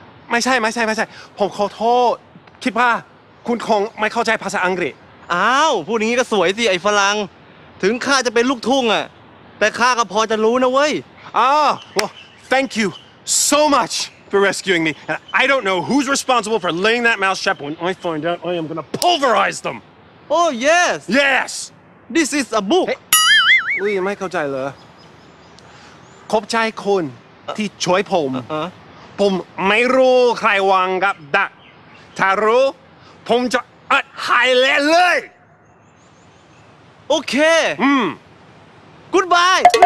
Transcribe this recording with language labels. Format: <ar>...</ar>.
<th>ไม่ใช่ผมขอโทษคิดว่าคุณคงไม่เข้าใจภาษาอังกฤษ อ้าวพูดอย่างนี้ก็สวยสิไอ้ฝรั่งถึงข้าจะเป็นลูกทุ่งอ่ะแต่ข้าก็พอจะรู้นะเว้ย อ้าว</th> <en>well, thank you so much. For rescuing me, and I don't know who's responsible for laying that mouse trap. When I find out, I am gonna pulverize them. Oh yes. Yes. This is a book. Hey.</en> <th>อุ้ยไม่เข้าใจเหรอคบชายคนที่ช่วยผมผมไม่รู้ใครวางกับดักถ้ารู้ผมจะอัดหายแล้วเลย</th> <en>โอเคกู๊ดบาย</en>